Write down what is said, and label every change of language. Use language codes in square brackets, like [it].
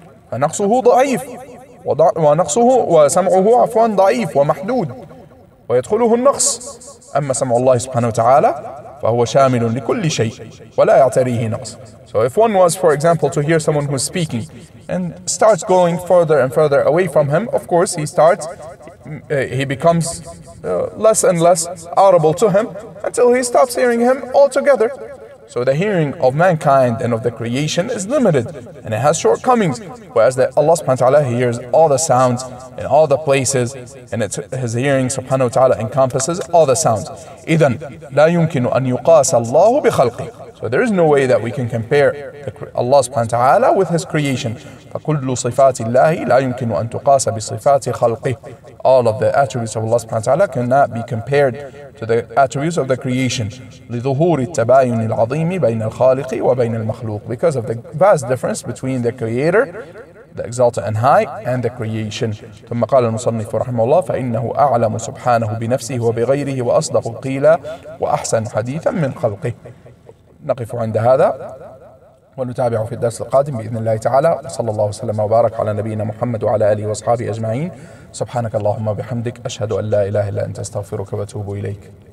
[ar] فنقصه ضعيف ونقصه وسمعه عفوا ضعيف ومحدود ويدخله النقص. أما سمع الله سبحانه وتعالى فهو شامل لكل شيء ولا يعتريه نقص. [en] So if one was, for example, to hear someone who's speaking and starts going further and further away from him, of course he becomes less and less audible to him until he stops hearing him altogether. So the hearing of mankind and of the creation is limited and it has shortcomings, whereas that Allah subhanahu wa ta'ala hears all the sounds in all the places, and it's his hearing subhanahu wa ta'ala encompasses all the sounds. [ar] إذن لا يمكن أن يقاس الله بخلقه. [en] So there is no way that we can compare Allah subhanahu wa ta'ala with his creation. [ar] فكل صفات الله لا يمكن أن تقاس بصفات خلقه. [en] All of the attributes of Allah subhanahu wa ta'ala cannot be compared to the attributes of the creation. [ar] لظهور التباين العظيم بين الخالق وبين المخلوق. [en] Because of the vast difference between the creator, the exalted and high, and the creation. [ar] ثم قال المصنف رحمه الله فإنه أعلم سبحانه بنفسه وبغيره وأصدق قيلا وأحسن حديثا من خلقه. نقف عند هذا ونتابع في الدرس القادم بإذن الله تعالى. صلى الله وسلم وبارك على نبينا محمد وعلى آله وصحابه أجمعين. سبحانك اللهم وبحمدك، أشهد أن لا إله إلا أنت، استغفرك وأتوب إليك.